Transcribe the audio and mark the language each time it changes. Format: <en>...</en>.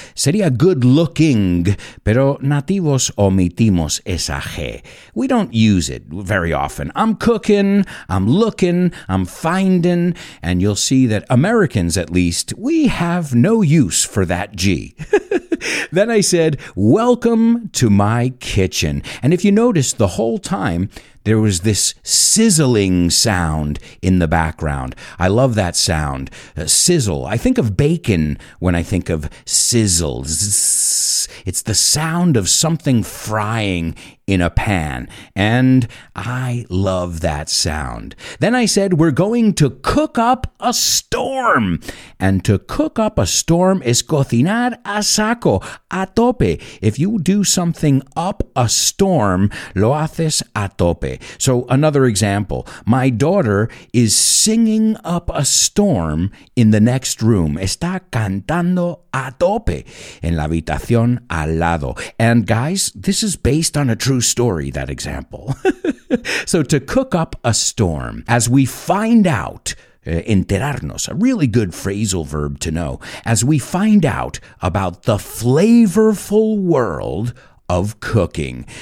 <es>Sería</es> <en>good looking,</en> <es>pero nativos omitimos esa G.</es> <en>We don't use it very often. I'm cooking, I'm looking, I'm finding, and you'll see that Americans, at least, we have no use for that G. Then I said, welcome to my kitchen. And if you noticed, the whole time, there was this sizzling sound in the background. I love that sound. Sizzle. I think of bacon when I think of sizzle. It's the sound of something frying in a pan. And I love that sound. Then I said, we're going to cook up a storm. And to cook up a storm is</en> <es>cocinar a saco, a tope.</es> <en>If you do something up a storm,</en> <es>lo haces a tope.</es> <en>So another example, my daughter is singing up a storm in the next room.</en> <es>Está cantando a tope en la habitación al lado.</es> <en>And guys, this is based on a true story, that example. So to cook up a storm, as we find out, enterarnos, a really good phrasal verb to know, as we find out about the flavorful world of cooking.</en>